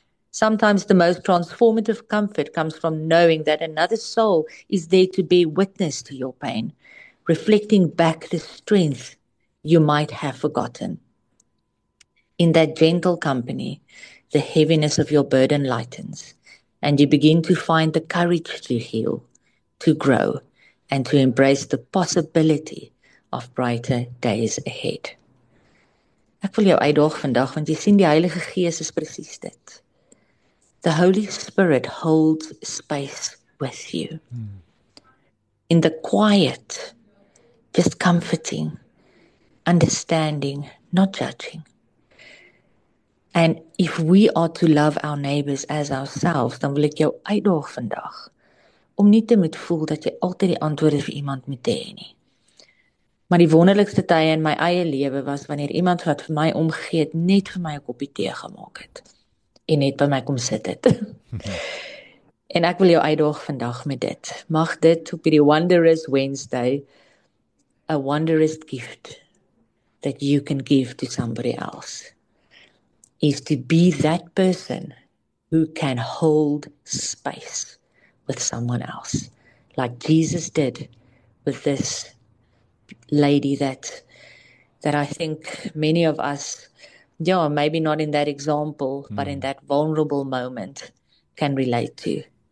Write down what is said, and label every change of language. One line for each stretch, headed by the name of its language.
English: Sometimes the most transformative comfort comes from knowing that another soul is there to bear witness to your pain, reflecting back the strength you might have forgotten. In that gentle company, the heaviness of your burden lightens, and you begin to find the courage to heal, to grow, and to embrace the possibility of brighter days ahead.
Afrikaans: Ek wil jou uitdaag vandag, want jy sien die Heilige Gees is presies dit.
English: The Holy Spirit holds space with you. In the quiet, just comforting, understanding, not judging. And if we are to love our neighbors as ourselves,
Afrikaans: dan wil ek jou uitdaag vandag om nie te moet voel dat jy altyd die antwoorde vir iemand moet hê nie. Maar die wonderlikste tye in my eie lewe was wanneer iemand wat vir my omgegee het, net vir my 'n koppie tee gemaak het en net by my kom sit het. En ek wil jou uitdaag vandag met dit. Mag dit op hierdie
English: Wondrous Wednesday a wondrous gift that you can give to somebody else is to be that person who can hold space with someone else like Jesus did with this lady that I think many of us, yeah, maybe not in that example, but in that vulnerable moment can relate to.